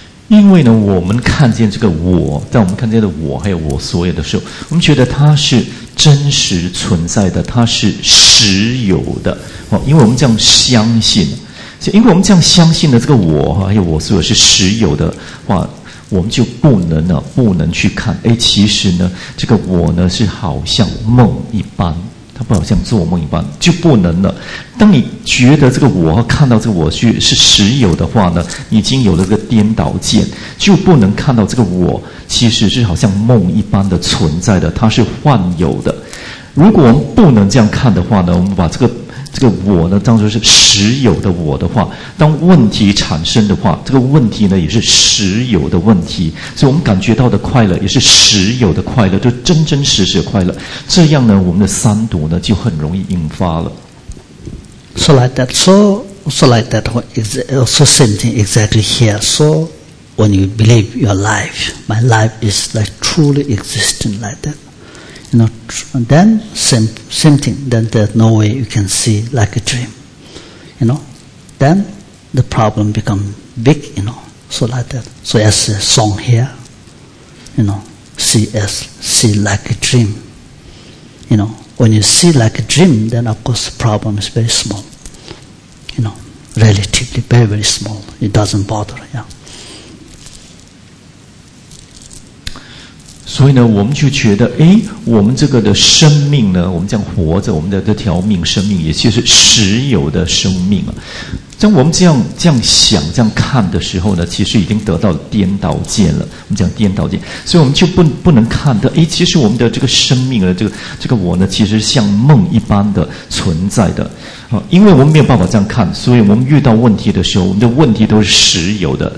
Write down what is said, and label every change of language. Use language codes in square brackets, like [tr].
[en] Because we see this I, when we see this I and the I so on, we think that it is actually existing, it is real. Because we believe this. [zh] 所以因为我们这样相信的这个我还有我所有是实有的话，我们就不能去看，哎，其实呢这个我呢是好像梦一般，它不好像做梦一般，就不能了。当你觉得这个我看到这个我是实有的话呢，已经有了这个颠倒见，就不能看到这个我其实是好像梦一般的存在的，它是幻有的。如果我们不能这样看的话呢，我们把这个我呢当作是实有的我的话，当问题产生的话，这个问题呢也是实有的问题，所以我们感觉到的快乐也是实有的快乐，就真真实实的快乐，这样呢我们的三毒呢就很容易引发了。 [en] So like that is also same thing exactly here. So when you believe your life, my life is like truly existing like thatYou know, then same thing, then there's no way you can see like a dream. You know, then the problem become big, you know, so like that. So as a song here, you know, see like a dream. You know, when you see like a dream, then of course the problem is very small. You know, relatively very, very small. It doesn't bother, yeah. [zh] 所以呢我们就觉得，诶，我们这个的生命呢，我们这样活着，我们的这条命生命也就是实有的生命啊。当我们这样想这样看的时候呢，其实已经得到颠倒见了，我们讲颠倒见，所以我们就不能看到，诶，其实我们的这个生命的这个我呢其实像梦一般的存在的啊，因为我们没有办法这样看，所以我们遇到问题的时候，我们的问题都是实有的。